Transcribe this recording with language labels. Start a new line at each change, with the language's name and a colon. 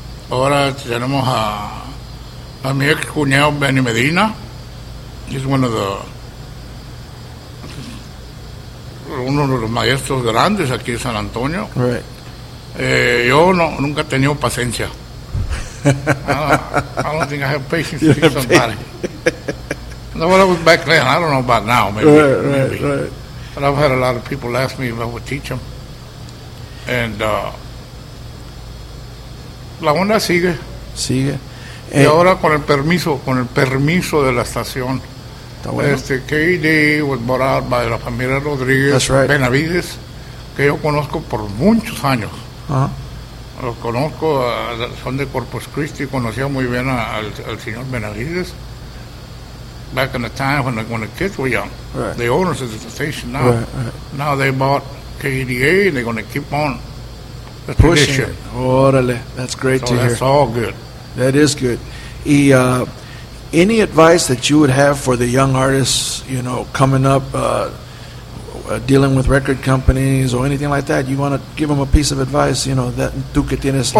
Spanish: Ahora tenemos a mi ex cuñado Benny Medina.
English: He's
Spanish: uno de los maestros grandes aquí en San Antonio.
English: Right.
Spanish: Yo nunca he tenido paciencia.
English: I don't think I have patience to teach somebody. No, when I was back then, I don't know about now, maybe. Right. But I've had a lot of people ask me if I would teach them. And
Spanish: la onda sigue. Sigue. Y ahora con el permiso de la estación. Está bueno.
English: KD was brought out by
Spanish: la familia
English: Rodríguez. That's right.
Spanish: Benavides, que yo conozco por muchos años. Uh-huh. Los conozco, son de Corpus Christi, conocía muy bien al señor Benavides.
English: Back in the time when the kids were young. Right. The owners of the station now. Right. Now they bought KDA and they're going to keep on the pushing tradition. Orale. That's great so to that's hear. That's all good. That is good. Any advice that you would have for the young artists, you know, coming up, dealing with record companies or anything like that, you want to give them a piece of advice, you know, that
Spanish: tú que tienes